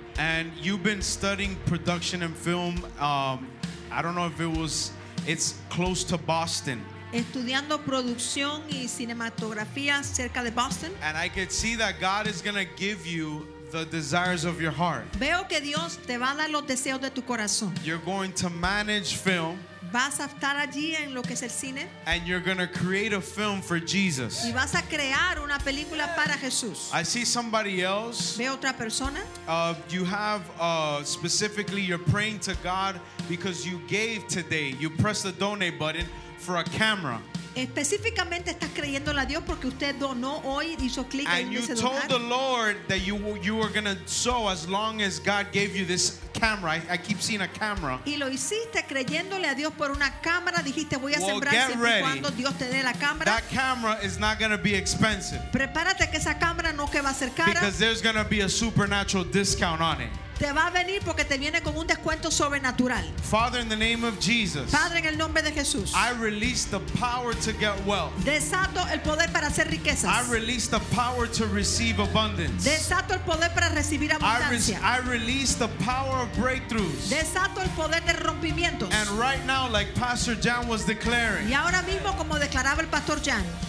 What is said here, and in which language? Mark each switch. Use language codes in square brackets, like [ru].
[en] And you've been studying production and film. I don't know if it's close to Boston. [es] Estudiando producción y cinematografía cerca de Boston. [en] And I could see that God is going to give you the desires of your heart. [es] Veo que Dios te va a dar los deseos de tu corazón. [en] You're going to manage film. [es] Vas a estar allí en lo que es el cine. [en] And you're going to create a film for Jesus. [es] Y vas a crear una película para Jesús. [en] I see somebody else. [es] Veo otra persona. [en] You have specifically, you're praying to God because you gave today. You pressed the donate button for a camera. [es] Específicamente estás creyéndole a Dios porque usted donó hoy, hizo clic en ese donar. [en] The Lord that you were going to sow as long as God gave you this camera. I keep seeing a camera. [es] Y lo hiciste creyéndole a Dios por una cámara, dijiste voy a sembrar siempre cuando Dios te dé la cámara. [en] That camera is not going to be expensive. [es] Prepárate que esa cámara no que va a ser cara. [en] Because there's going to be a supernatural discount on it. [es] Te va a venir porque te viene con un descuento sobrenatural. [en] Father, in the name of Jesus, [es] Padre, en el nombre de Jesús, [en] I release the power to get wealth. [es] Desato el poder para hacer riquezas. [en] I release the power to receive abundance. [es] Desato el poder para recibir abundancia. [en] I release the power of breakthroughs. [es] Desato el poder de rompimientos. [en] And right now, like Pastor Jan was declaring. [es] Y ahora mismo, como declaraba el Pastor Jan.